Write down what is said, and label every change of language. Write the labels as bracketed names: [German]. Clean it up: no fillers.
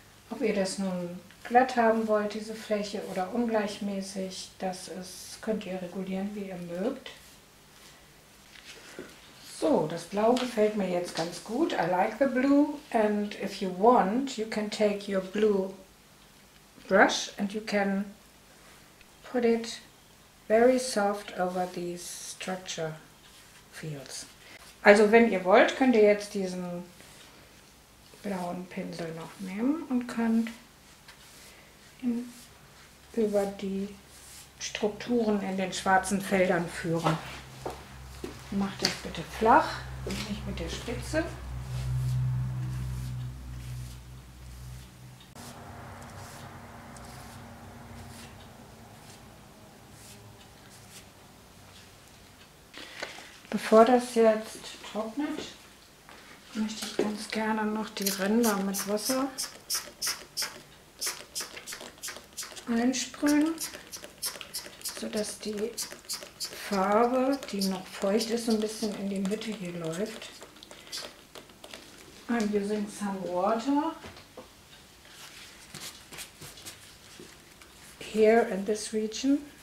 [German] Ob ihr das nun glatt haben wollt, diese Fläche, oder ungleichmäßig, könnt ihr regulieren, wie ihr mögt. So, das Blau gefällt mir jetzt ganz gut. [English] I like the blue. And if you want, you can take your blue brush and you can put it very soft over these structure fields. [German] Also, wenn ihr wollt, könnt ihr jetzt diesen blauen Pinsel noch nehmen und könnt ihn über die Strukturen in den schwarzen Feldern führen. Macht das bitte flach und nicht mit der Spitze. Bevor das jetzt trocknet, möchte ich ganz gerne noch die Ränder mit Wasser einsprühen, sodass die Farbe, die noch feucht ist, ein bisschen in die Mitte hier läuft. [English] I'm using some water here in this region.